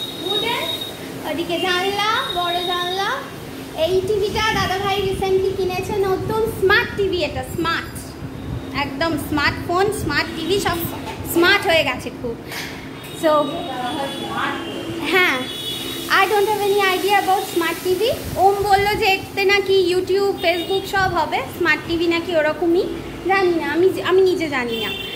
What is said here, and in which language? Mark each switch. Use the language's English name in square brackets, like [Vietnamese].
[Bangla] Wooden ওদিকে জানলা বড় জানলা এই টিভিটা দাদা ভাই রিসেন্টলি কিনেছে নতুন স্মার্ট টিভি এটা স্মার্ট একদম স্মার্টফোন স্মার্ট টিভি সব স্মার্ট হয়ে গেছে খুব সো হ্যাঁ [English] I don't have any idea about smart TV. [Bangla] ওম বললো যে এতে নাকি ইউটিউব ফেসবুক সব হবে, স্মার্ট টিভি নাকি ওরকমই, জানি না, আমি আমি নিজে জানি না।